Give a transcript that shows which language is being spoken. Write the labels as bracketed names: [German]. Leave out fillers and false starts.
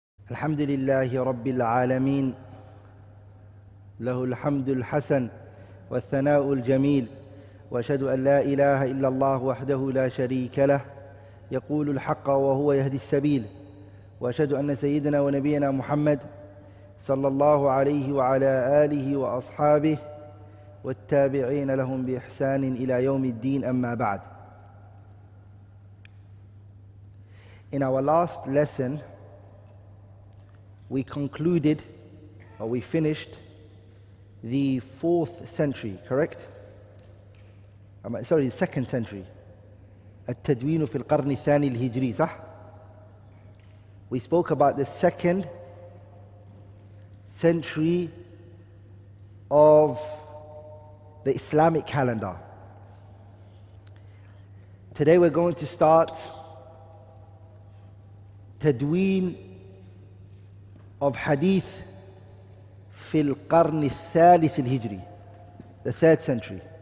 [Arabic] الحمد لله رب العالمين، له الحمد الحسن والثناء الجميل، وأشهد أن لا إله إلا الله وحده لا شريك له، يقول الحق وهو يهدي السبيل، وأشهد أن سيدنا ونبينا محمد صلى الله عليه وعلى آله وأصحابه والتابعين لهم بإحسان إلى يوم الدين، أما بعد. [English] In our last lesson, we concluded, or we finished, the 4th century, correct? Sorry, the 2nd century. [Arabic] التدوين في القرن الثاني الهجري, صح? [English] We spoke about the 2nd century of the Islamic calendar. Today we're going to start تدوين of hadith [Arabic] في القرن الثالث الهجري, [English] the 3rd century.